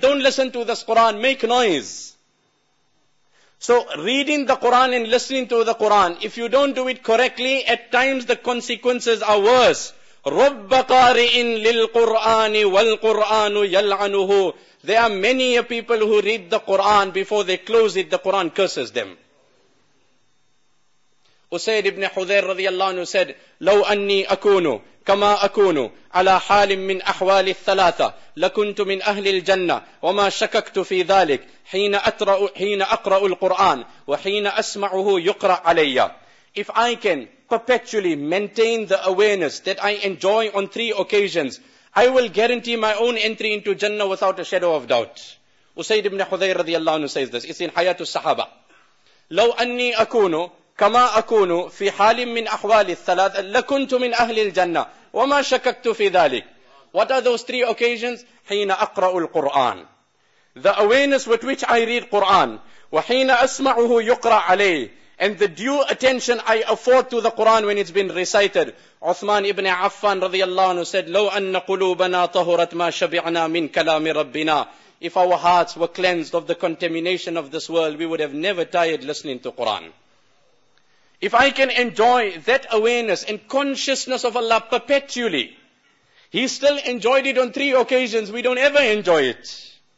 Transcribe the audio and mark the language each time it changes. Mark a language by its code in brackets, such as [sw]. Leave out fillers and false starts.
[en] Don't listen to this Quran. Make noise. So reading the Quran and listening to the Quran, if you don't do it correctly, at times the consequences are worse. [ar] رُبَّ قَارِئٍ لِلْقُرْآنِ وَالْقُرْآنُ يَلْعَنُهُ. [en] There are many a people who read the Quran, before they close it, the Quran curses them. [ar] Usayd ibn Hudayr radiallahu anhu [en] said, [ar] لَوْ أَنِّي أَكُونُ كَمَا أَكُونُ عَلَى حَالٍ مِّنْ أَحْوَالِ الثَّلَاثَةِ لَكُنْتُ مِنْ أَهْلِ الْجَنَّةِ وَمَا شَكَكْتُ فِي ذَلِكَ حِينَ أَقْرَأُ الْقُرْآنَ وَحِينَ أَسْمَعُهُ يُقْرَأْ عَلَيَّ. [en] If I can perpetually maintain the awareness that I enjoy on three occasions, I will guarantee my own entry into Jannah without a shadow of doubt. Usayd ibn Hudayr radiallahu anhu says this. It's in Hayatu Sahaba. [ar] لَوْ أَنِّي أَكُونُ كما أكون في حال من أحوال الثلاث لكنت من أهل الجنة وما شككت في ذلك. [en] What are those three occasions? [ar] حين أقرأ القرآن. [en] The awareness with which I read Quran. [ar] وحين أسمعه يقرأ عليه. [en] And the due attention I afford to the Quran when it's been recited. [ar] Uthman ibn Affan رضي الله عنه [en] said, [ar] لو أن قلوبنا طهرت ما شبعنا من كلام ربنا. [en] If our hearts were cleansed of the contamination of this world, we would have never tired listening to Quran. If I can enjoy that awareness and consciousness of Allah perpetually, He still enjoyed it on three occasions, we don't ever enjoy it.